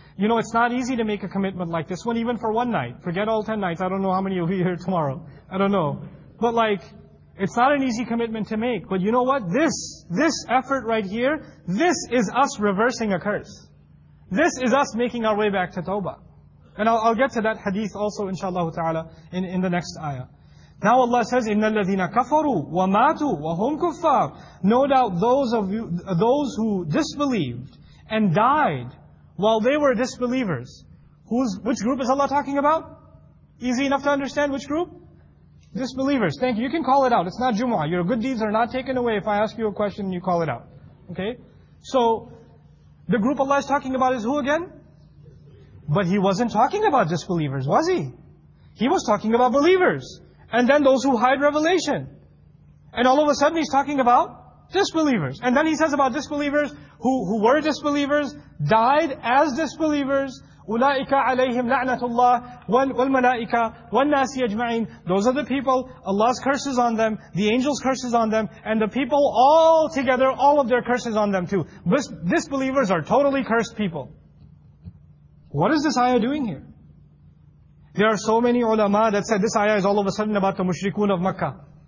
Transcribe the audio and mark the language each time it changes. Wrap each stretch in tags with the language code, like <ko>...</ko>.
<en>You know, it's not easy to make a commitment like this one, even for one night. Forget all 10 nights. I don't know how many will be here tomorrow. I don't know. But like, it's not an easy commitment to make. But you know what? This effort right here, this is us reversing a curse. This is us making our way back to Tawbah. And I'll get to that hadith also, inshallah ta'ala, in the next ayah. Now Allah says,</en> <ar>إِنَّ الَّذِينَ كَفَرُوا وَمَاتُوا وَهُمْ كُفَّارٌ.</ar> <en>No doubt those who disbelieved and died while they were disbelievers. Which group is Allah talking about? Easy enough to understand which group? Disbelievers. Thank you. You can call it out. It's not Jumu'ah. Your good deeds are not taken away if I ask you a question and you call it out. Okay? So, the group Allah is talking about is who again? But He wasn't talking about disbelievers, was He? He was talking about believers. And then those who hide revelation. And all of a sudden He's talking about disbelievers. And then He says about disbelievers who were disbelievers, died as disbelievers,</en> <ar>أولئك عليهم لعنة الله والملائكة والناس يجمعين.</ar> <en>Those are the people. Allah's curses on them. The angels' curses on them. And the people all together, all of their curses on them too. Disbelievers are totally cursed people. What is this ayah doing here? There are so many ulama that said this ayah is all of a sudden about the mushrikun of Makkah.</en>